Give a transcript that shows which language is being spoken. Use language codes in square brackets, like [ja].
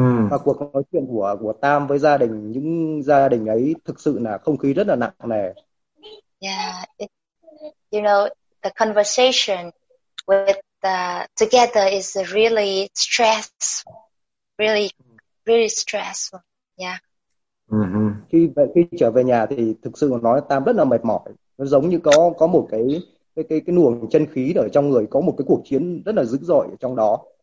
[vi] Và cuộc nói chuyện của Tam với gia đình, những gia đình ấy thực sự là không khí rất là nặng nề. [en] Yeah, you know, the conversation with together is really stress, really, really stressful. Yeah. [vi] Khi trở về nhà thì thực sự nói Tam rất là mệt mỏi. Nó giống như có một cái luồng chân khí ở trong người, có một cái cuộc chiến rất là dữ dội ở trong đó.